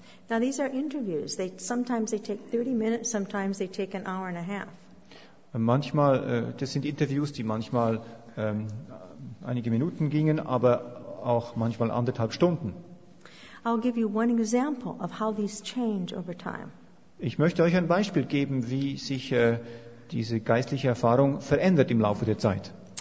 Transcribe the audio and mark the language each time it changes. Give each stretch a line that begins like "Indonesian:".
English: Now these are interviews. Sometimes they take 30 minutes, sometimes they take an hour and a half.
German: Manchmal, das sind Interviews, die manchmal einige Minuten gingen, aber auch manchmal anderthalb Stunden.
English: I'll give you one example of how these change over time.
German: Ich möchte euch ein Beispiel geben, wie sich diese geistliche Erfahrung verändert im Laufe der Zeit.